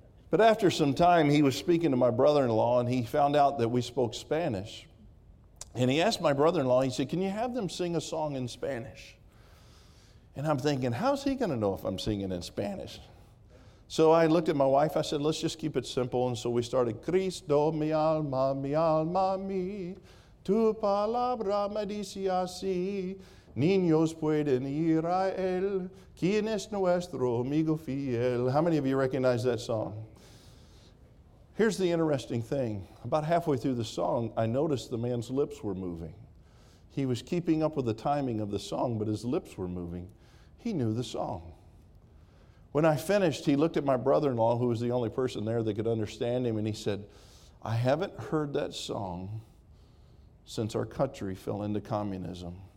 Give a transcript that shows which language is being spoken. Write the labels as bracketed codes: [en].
[en] But after some time, he was speaking to my brother-in-law, and he found out that we spoke Spanish. And he asked my brother-in-law, he said, can you have them sing a song in Spanish? And I'm thinking, how's he going to know if I'm singing in Spanish? So I looked at my wife, I said, let's just keep it simple. And so we started, [es] Cristo, mi alma, mi, tu palabra me dice así, niños pueden ir a él, quien es nuestro amigo fiel. [en] How many of you recognize that song? Here's the interesting thing. About halfway through the song, I noticed the man's lips were moving. He was keeping up with the timing of the song, but his lips were moving. He knew the song. When I finished, he looked at my brother-in-law, who was the only person there that could understand him, and he said, I haven't heard that song since our country fell into communism.